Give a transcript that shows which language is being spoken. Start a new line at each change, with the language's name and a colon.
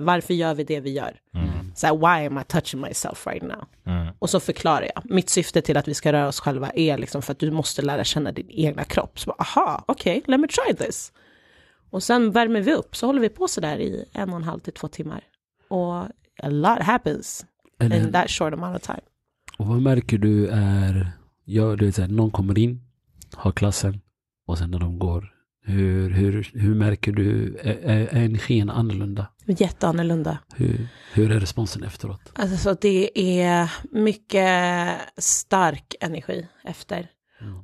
Swedish: Varför gör vi det vi gör? Så här,
English: why am I touching myself right now?
Swedish: Och så förklarar jag. Mitt syfte till att vi ska röra oss själva är liksom för att du måste lära känna din egna kropp. Så bara, aha, okej,
English: okay, let me try this.
Swedish: Och sen värmer vi upp. Så håller vi på så där i 1,5 till 2 timmar. Och
English: a lot happens in that short amount of time.
Swedish: Och vad märker du är... Ja, du vet, någon kommer in, har klassen och sen när de går... Hur märker du, är energin annorlunda? Jätteannorlunda. Hur är responsen efteråt? Alltså det är mycket stark energi efter. Mm.